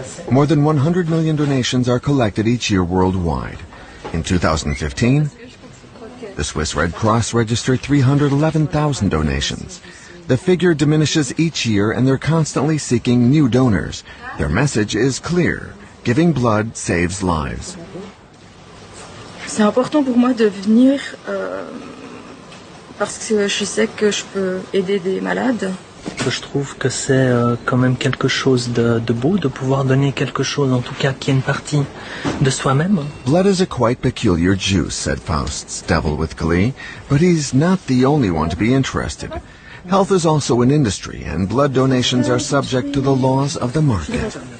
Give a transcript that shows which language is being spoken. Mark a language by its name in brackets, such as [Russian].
[English] More than 100 million donations are collected each year worldwide. In 2015, the Swiss Red Cross registered 311,000 donations. The figure diminishes each year and they're constantly seeking new donors. Their message is clear: giving blood saves lives. [French] C'est important pour moi de venir parce que je sais que je peux aider des malades. Je trouve que c'est quand même quelque chose de beau de pouvoir donner quelque chose, en tout cas qui est une partie de soi-même. [English] Blood is a quite peculiar juice, said Faust's devil with glee, but he's not the only one to be interested. Health is also an industry, and blood donations are subject to the laws of the market.